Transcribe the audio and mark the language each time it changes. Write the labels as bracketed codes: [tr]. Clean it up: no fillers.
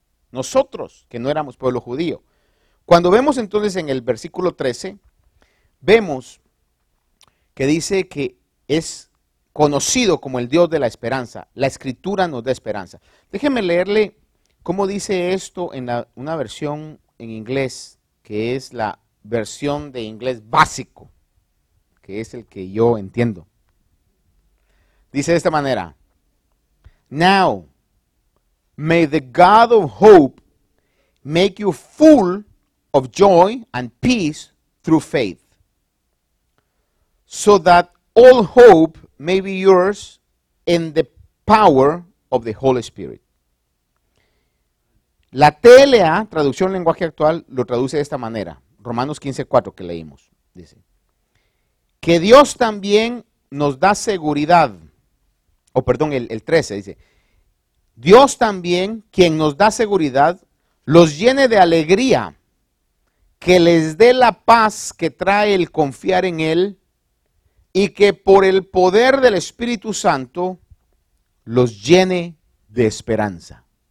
[es] Nosotros, que no éramos pueblo judío. Cuando vemos entonces en el versículo 13, vemos que dice que es conocido como el Dios de la esperanza. La Escritura nos da esperanza. Déjeme leerle cómo dice esto en una versión en inglés, que es la versión de inglés básico, que es el que yo entiendo. Dice de esta manera, [en] now, may the God of hope make you full of joy and peace through faith, so that all hope may be yours in the power of the Holy Spirit. [es] La TLA, traducción lenguaje actual, lo traduce de esta manera, Romanos 15:4 que leímos, dice, que Dios también nos da seguridad. O perdón, el 13 dice, Dios también, quien nos da seguridad, los llene de alegría, que les dé la paz que trae el confiar en Él y que por el poder del Espíritu Santo los llene de esperanza.